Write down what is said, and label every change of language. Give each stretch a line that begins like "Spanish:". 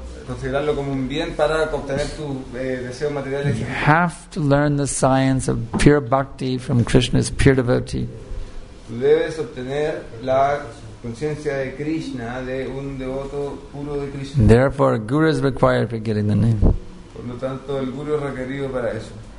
Spanish: Considerarlo como un bien para obtener tu deseo material.
English: You have to learn the science of pure bhakti from Krishna's pure devotee.
Spanish: Tú debes obtener la conciencia de Krishna, de un devoto puro de Krishna.
English: Therefore, guru is required for getting the name.
Spanish: Por lo tanto, el guru es requerido para eso.